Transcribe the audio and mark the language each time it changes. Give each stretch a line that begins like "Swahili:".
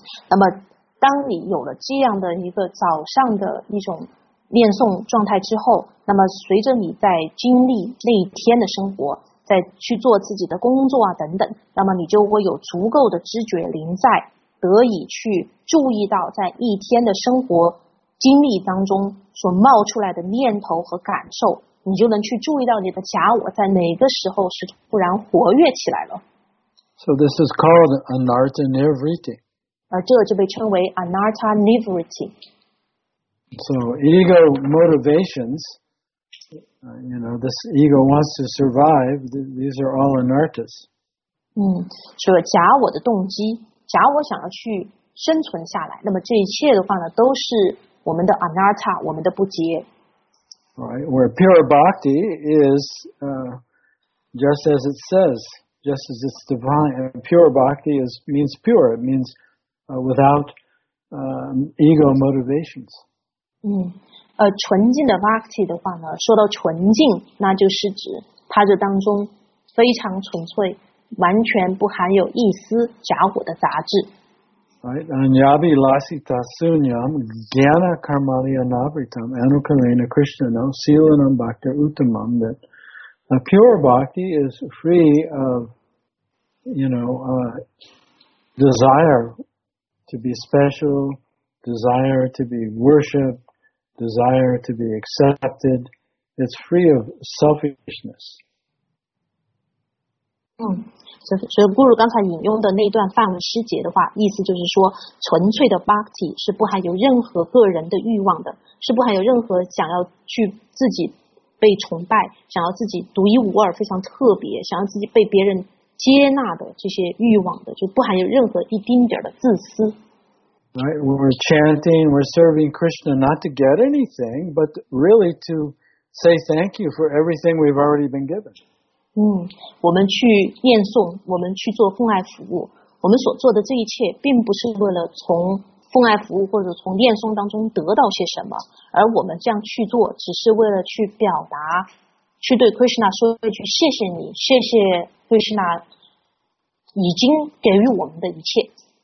Chinese: 那么当你有了这样的一个早上的一种念诵状态之后，那么随着你在经历那一天的生活，在去做自己的工作啊等等，那么你就会有足够的知觉临在，得以去注意到在一天的生活经历当中所冒出来的念头和感受，你就能去注意到你的假我在哪个时候是突然活跃起来了。
English: So this is called anartha nivritti.
Chinese: 这就被称为 anartha nivritti.
English: So ego motivations, you know, this ego wants to survive. These are all anarthas.
Chinese: 所以假我的动机，假我想要去生存下来，那么这一切的话呢，都是我们的 anartha， 我们的不结。
English: Right, where pure bhakti is just as it says, just as it's divine. Pure bhakti means pure. It means without ego motivations.
Chinese: 纯净的 bhakti 的话呢，说到纯净，那就是指它这当中非常纯粹，完全不含有一丝假我的杂质。
Sanskrit: Right, anyabi lasita sunyam jnana karmani anavritam anukarena krishnanam silanam bhakti uttamam.
English: That a pure bhakti is free of, you know, desire to be special, desire to be worshipped, desire to be accepted. It's free of selfishness.
Chinese: 所以不如刚才引用的那段梵文诗节的话，意思就是说，纯粹的 bhakti 是不含有任何个人的欲望的，是不含有任何想要去自己被崇拜，想要自己独一无二、非常特别，想要自己被别人接纳的这些欲望的，就不含有任何一丁点的自私。
English: Right, we're chanting, we're serving Krishna not to get anything, but really to say thank you for everything we've already been given.
Chinese: 我们去念诵，我们去做奉爱服务，我们所做的这一切并不是为了从奉爱服务或者从念诵当中得到些什么，而我们这样去做只是为了去表达，去对 Krishna 说一句谢谢你，谢谢 Krishna 已经给予我们的一切。